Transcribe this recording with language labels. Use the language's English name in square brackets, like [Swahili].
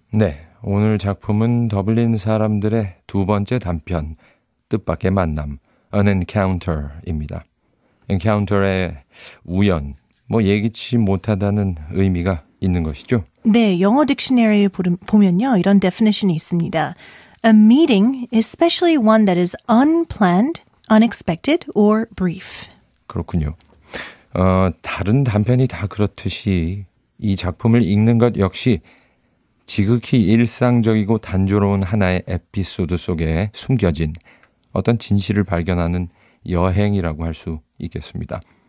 [Korean] 네, 오늘 작품은 더블린 사람들의 두 번째 단편, 뜻밖의 만남, An Encounter입니다. Encounter의 우연, 뭐 예기치 못하다는 의미가 있는 것이죠? 네, 영어 딕셔너리를 보면요, 이런 definition이 있습니다. [English] A meeting, especially one that is unplanned, unexpected, or brief. [Korean] 그렇군요. 다른 단편이 다 그렇듯이 이 작품을 읽는 것 역시 지극히 일상적이고 단조로운 하나의 에피소드 속에 숨겨진 어떤 진실을 발견하는 여행이라고 할 수 있겠습니다.